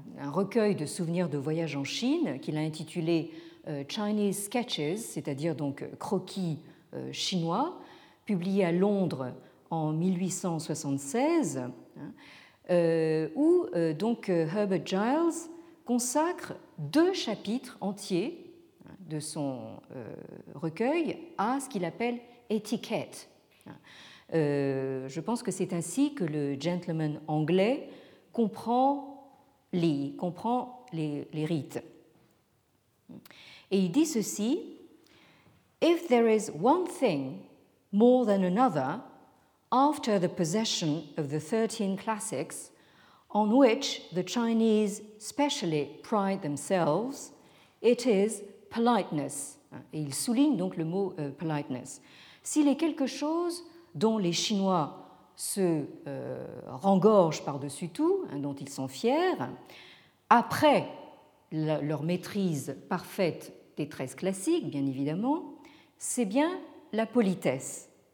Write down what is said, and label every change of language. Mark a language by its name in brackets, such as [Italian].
[French] recueil de souvenirs de voyage en Chine qu'il a intitulé Chinese Sketches, c'est-à-dire donc croquis chinois, publié à Londres en 1876, où donc Herbert Giles consacre deux chapitres entiers de son recueil à ce qu'il appelle étiquette. Je pense que c'est ainsi que le gentleman anglais comprend les rites. Et il dit ceci: [English] If there is one thing more than another after the possession of the 13 classics on which the Chinese specially pride themselves, it is politeness. [French] Et il souligne donc le mot politeness. S'il est quelque chose dont les Chinois se rengorgent par-dessus tout, dont ils sont fiers, après leur maîtrise parfaite des 13 classiques, bien évidemment, c'est bien la politesse.